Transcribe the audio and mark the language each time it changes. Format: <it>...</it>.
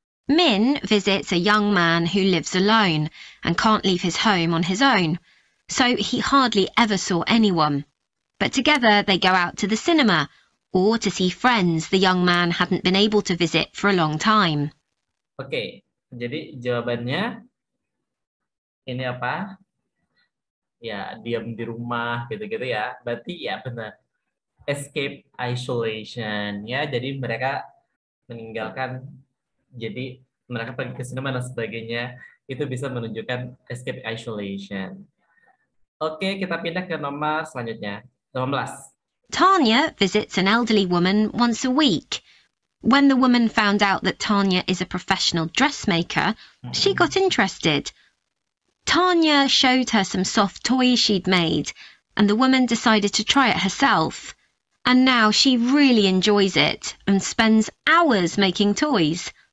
<en>Min visits a young man who lives alone and can't leave his home on his own, so he hardly ever saw anyone. But together they go out to the cinema or to see friends the young man hadn't been able to visit for a long time.</en> <id>Oke. Jadi jawabannya ini apa? Ya, diam di rumah gitu-gitu ya. Berarti ya benar. Escape isolation ya. Jadi mereka meninggalkan, jadi mereka pergi ke sinema dan sebagainya. Itu bisa menunjukkan escape isolation. Oke, kita pindah ke nomor selanjutnya. 18.</id> <en>Tanya visits an elderly woman once a week. When the woman found out that Tanya is a professional dressmaker, she got interested. Tanya showed her some soft toys she'd made, and the woman decided to try it herself. And now she really enjoys it and spends hours making toys.</en>